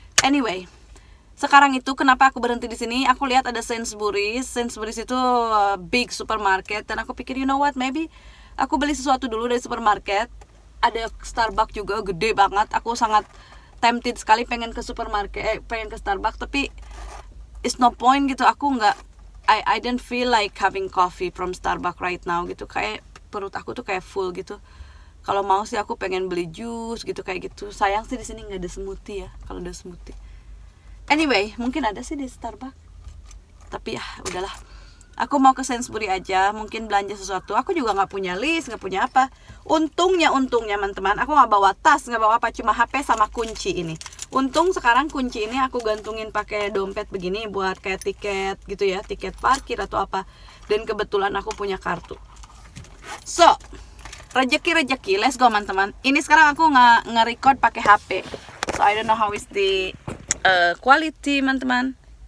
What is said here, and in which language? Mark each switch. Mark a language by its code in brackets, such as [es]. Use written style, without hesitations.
[id] Anyway, sekarang itu kenapa aku berhenti di sini, aku lihat ada Sainsbury's itu big supermarket, dan aku pikir [en] you know what, maybe [id] aku beli sesuatu dulu dari supermarket. Ada Starbucks juga, gede banget. Aku sangat tempted sekali pengen ke supermarket, pengen ke Starbucks, tapi [en] it's no point [id] gitu. Aku enggak, [en] I don't feel like having coffee from Starbucks right now gitu. [id] Kayak perut aku tuh kayak full gitu. Kalau mau sih aku pengen beli jus gitu kayak gitu. Sayang sih di sini enggak ada smoothie ya. Kalau ada smoothie. Anyway, mungkin ada sih di Starbucks. Tapi ya udahlah. Aku mau ke Sainsbury aja, mungkin belanja sesuatu. Aku juga enggak punya list, enggak punya apa. Untungnya, teman-teman, aku enggak bawa tas, enggak bawa apa, cuma HP sama kunci ini. Untung sekarang kunci ini aku gantungin pakai dompet begini buat kayak tiket gitu ya, tiket parkir atau apa. Dan kebetulan aku punya kartu. So, rejeki-rejeki, [en] let's go, [id] teman-teman. Ini sekarang aku nge-record pakai HP. [en] So, I don't know how is the quality, [id] teman-teman.